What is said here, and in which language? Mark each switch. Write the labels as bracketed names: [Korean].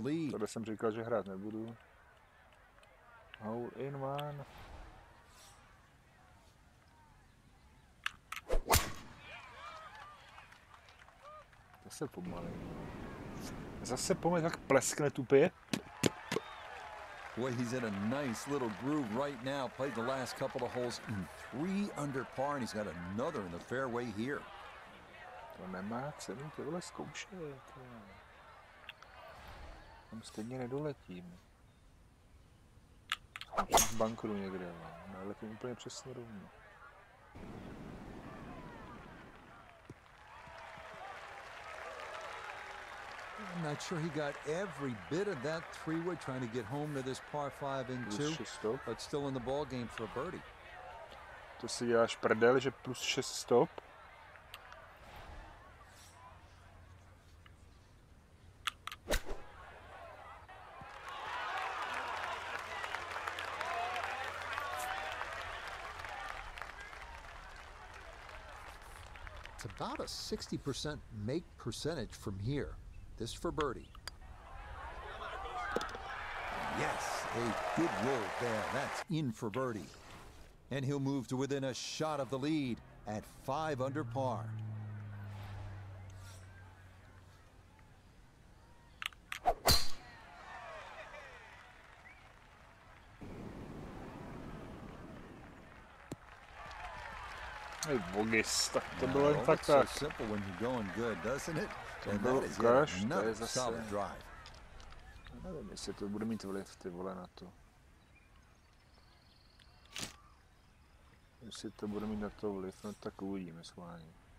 [Czech] Tohle jsem říkal, že hrát nebudu. [English] Hole in one. [Czech] Zase pomalý. Zase pomalý, jak pleskne tupě. [English] Boy, he's in a nice little groove right now. Played the last couple of holes in 3 under par, and he's got another in the fairway here. [Czech] To nemá cenu, ty vole, zkoušel. Tam stejně nedoletím. V bunkru někde, ale to je úplně přesně rovno. [English] I'm not sure he got every bit of that three wood trying to get home to this par 5 and 2, but still in the ball game for a birdie. [Czech] To si děláš prdel, že plus 6 stop. [English] It's about a 60% make percentage from here. This for birdie. Yes, a good roll there. That's in for birdie. And he'll move to within a shot of the lead at 5 under par. [Czech] Hey, Bogis, tak to bylo jen tak tak. [English] So simple when you're going good, doesn't it? [Czech] To je zase, nevím, jestli to bude mít vliv, ty vole, na to. Jestli to bude mít na to vliv, no tak uvidíme schválně.